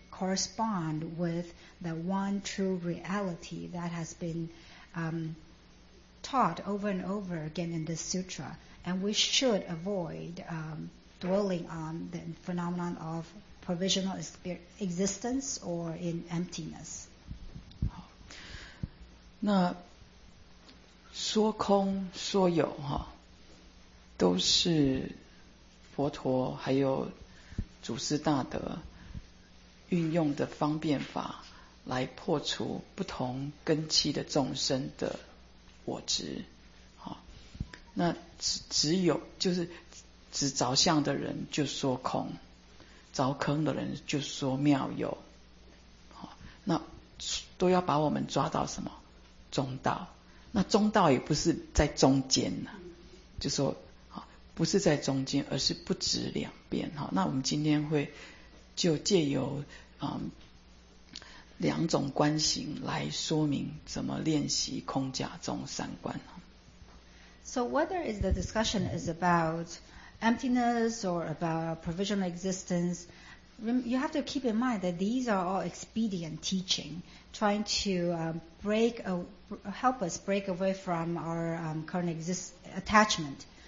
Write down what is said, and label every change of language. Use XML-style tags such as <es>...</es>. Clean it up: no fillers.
<en>correspond with the one true reality that has been taught over and over again in this sutra. And we should avoid dwelling on the phenomenon of provisional existence or in emptiness.</en> <zh>那说空说有哈，都是佛陀还有祖师大德运用的方便法来破除不同根基的众生的我执。好，那只有就是只着相的人就说空，着坑的人就说妙有。好，那都要把我们抓到什么？中道，那中道也不是在中间呢，就说不是在中间，而是不止两边。那我们今天会就借由两种观行来说明怎么练习空假中三观。</zh> <en>So whether is the discussion is about emptiness or about provisional existence, you have to keep in mind that these are all expedient teaching. Trying to help us break away from our current attachment.</en>